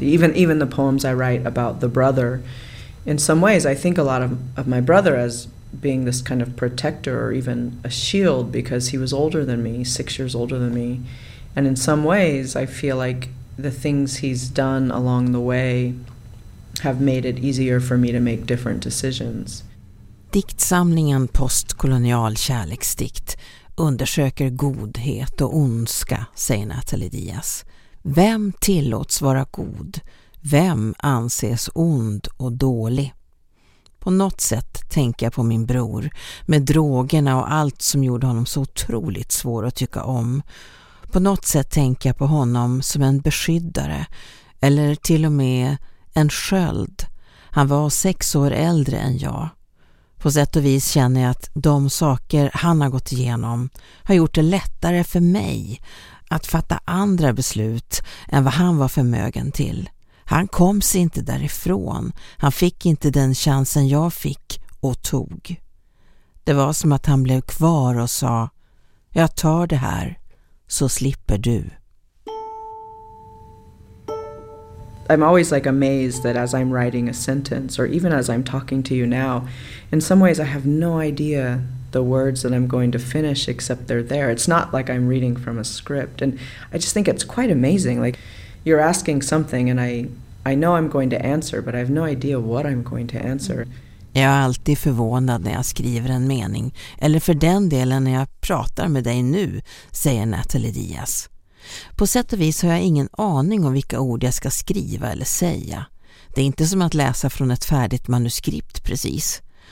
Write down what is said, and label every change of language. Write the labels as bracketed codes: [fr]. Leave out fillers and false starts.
[en] Even the poems I write about the brother, in some ways I think a lot of my brother as being this kind of protector or even a shield, because he was older than me, 6 years older than me. And in some ways I feel like the things he's done along the way have made it easier for me to make different decisions. [sv] Diktsamlingen Postkolonial kärleksdikt undersöker godhet och ondska, säger Natalie Diaz. Vem tillåts vara god? Vem anses ond och dålig? På något sätt tänker jag på min bror med drogerna och allt som gjorde honom så otroligt svår att tycka om. På något sätt tänker jag på honom som en beskyddare eller till och med en sköld. Han var 6 år äldre än jag. På sätt och vis känner jag att de saker han har gått igenom har gjort det lättare för mig att fatta andra beslut än vad han var förmögen till. Han kom sig inte därifrån. Han fick inte den chansen jag fick och tog. Det var som att han blev kvar och sa, jag tar det här så slipper du. [en] I'm always like amazed that as I'm writing a sentence or even as I'm talking to you now, in some ways I have no idea the words that I'm going to finish except they're there. It's not like I'm reading from a script, and I just think it's quite amazing. Like you're asking something and I know I'm going to answer, but I have no idea what I'm going to answer. [sv] Jag är alltid förvånad när jag skriver en mening, eller för den delen när jag pratar med dig nu, säger Natalie Diaz. På sätt och vis har jag ingen aning om vilka ord jag ska skriva eller säga. Det är inte som att läsa från ett färdigt manuskript precis.